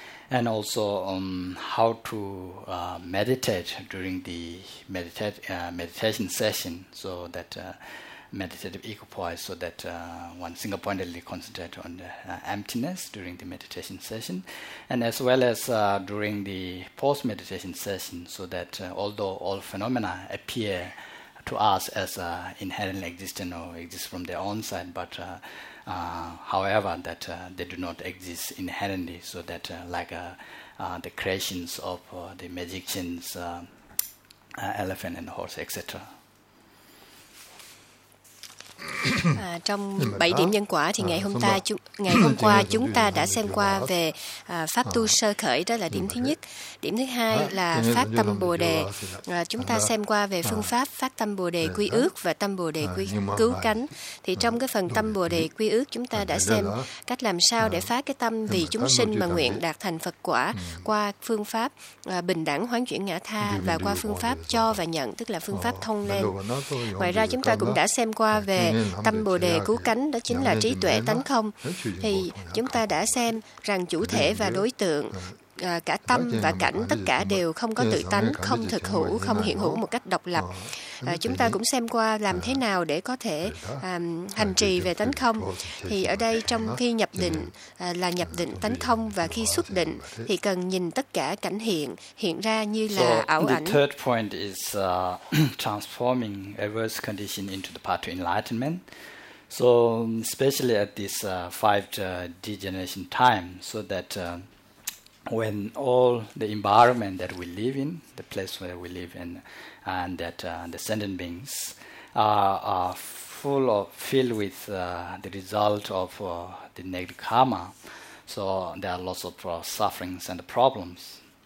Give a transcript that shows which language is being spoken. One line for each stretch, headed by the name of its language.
English: And also how to meditate during the meditation session, so that meditative equipoise, so that one single-pointedly concentrate on the emptiness during the meditation session, and as well as during the post-meditation session, so that although all phenomena appear to us as inherently existent or exist from their own side, but however, that they do not exist inherently, so that the creations of the magicians, elephant and horse, etc.
Vietnamese: Trong 7 điểm nhân quả thì ngày hôm qua chúng ta đã xem qua về pháp tu sơ khởi, đó là điểm thứ nhất. Điểm thứ hai là phát tâm Bồ Đề. Chúng ta xem qua về phương pháp phát tâm Bồ Đề quy ước và tâm Bồ Đề quy cứu cánh. Thì trong cái phần tâm Bồ Đề quy ước, chúng ta đã xem cách làm sao để phát cái tâm vì chúng sinh mà nguyện đạt thành Phật quả qua phương pháp bình đẳng hoán chuyển ngã tha và qua phương pháp cho và nhận, tức là phương pháp thông lên. Ngoài ra chúng ta cũng đã xem qua về tâm Bồ Đề cứu cánh, đó chính là trí tuệ tánh không. Thì chúng ta đã xem rằng chủ thể và đối tượng, cả tâm và cảnh, tất cả đều không có tự tánh, không thực hữu, không hiện hữu một cách độc lập. Chúng ta cũng xem qua làm thế nào để có thể hành trì về tánh không. Thì ở đây, trong khi nhập định là nhập định tánh không, và khi xuất định thì cần nhìn tất cả cảnh hiện ra như là ảo ảnh.
English: The third point is transforming adverse condition into the path to enlightenment. So especially at this five degeneration time, so that when all the environment that we live in, the place where we live in, and that the sentient beings are filled with the result of the negative karma, so there are lots of sufferings and problems.